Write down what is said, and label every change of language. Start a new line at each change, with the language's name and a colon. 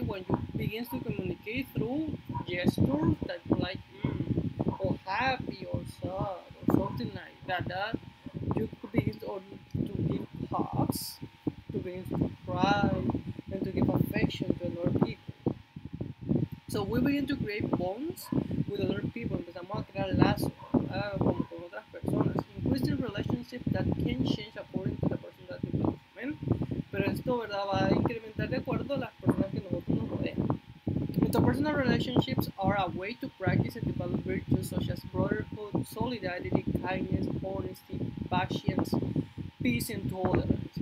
English: When you begin to communicate through gestures that like or happy or sad or something like that you begin to give hugs, to begin to cry, and to give affection to other people. So we begin to create bonds with other people.
Spanish: Empezamos a crear lazos con otras personas.
English: Increase the relationship that can change according to the person that you love.
Spanish: ¿Ven? Pero esto, ¿verdad?, va a incrementar de acuerdo a las personas que nosotros nos rodean.
English: Interpersonal relationships are a way to practice and develop virtues such as brotherhood, solidarity, kindness, honesty, patience, peace, and tolerance.